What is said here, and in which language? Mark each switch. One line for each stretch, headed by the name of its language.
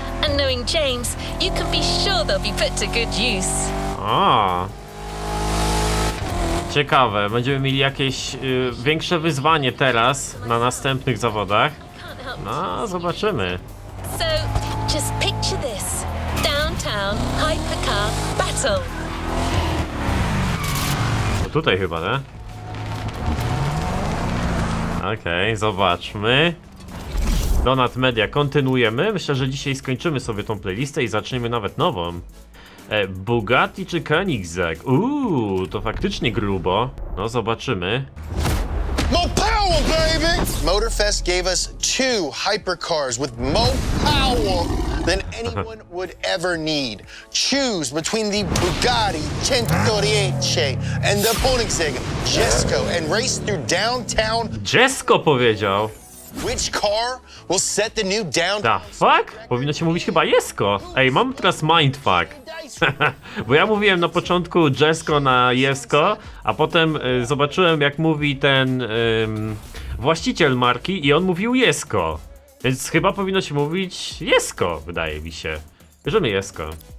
English: And knowing James, you can be sure they'll be put to good use. O.
Polish: Ciekawe, będziemy mieli jakieś większe wyzwanie teraz na następnych zawodach. No, zobaczymy.
English: So, just picture this. Downtown hypercar battle.
Polish: No tutaj chyba, nie? Okej, zobaczmy. Donat Media, kontynuujemy. Myślę, że dzisiaj skończymy sobie tą playlistę i zaczniemy nawet nową. Bugatti czy Koenigsegg? Uuu, to faktycznie grubo. No, zobaczymy.
English: More power, baby! Motorfest gave us two hypercars with more power than anyone would ever need. Choose between the Bugatti Centauriace and the Koenigsegg Jesko and race through downtown.
Polish: Jesko powiedział.
English: Which car will set the new down? Da fuck?
Polish: Powinno się mówić chyba Jesko. Ej, mam teraz mindfuck. Bo ja mówiłem na początku Jesko na Jesko, a potem zobaczyłem, jak mówi ten właściciel marki i on mówił Jesko. Więc chyba powinno się mówić Jesko, wydaje mi się. Bierzemy Jesko.